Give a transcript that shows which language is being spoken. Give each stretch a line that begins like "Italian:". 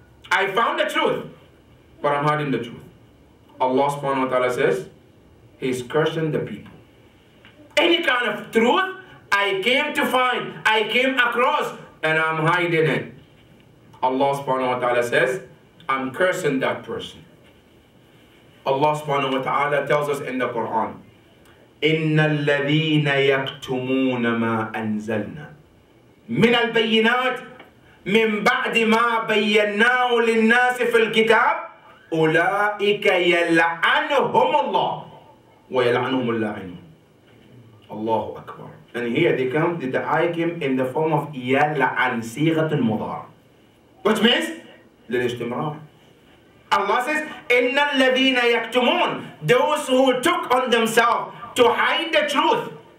English: I found the truth, but I'm hiding the truth. Allah subhanahu wa ta'ala says, he's cursing the people. Any kind of truth I came to find, I came across, and I'm hiding it. Allah subhanahu wa ta'ala says, I'm cursing that person. Allah subhanahu wa ta'ala tells us in the Quran,
Arabic: إِنَّ الَّذِينَ يَكْتُمُونَ مَا أَنزَلْنَا مِنَ الْبَيِّنَاتِ مِنْ بَعْدِ مَا بَيَّنَّاهُ لِلنَّاسِ فِي الْكِتَابِ أُولَٰئِكَ يَلْعَنُهُمُ اللَّهُ وَيَلْعَنُهُمُ اللَّاعِنُونَ. الله أكبر.
English: And here they come, the ayah came in the form of
Arabic: يَلْعَنْ صِيغَةُ الْمُضَارِ,
English: which means
Arabic: للاستمرار.
English: Allah says,
Arabic: إِنَّ الَّذِينَ يَكْتُمُونَ,
English: those who took on themselves to hide the truth.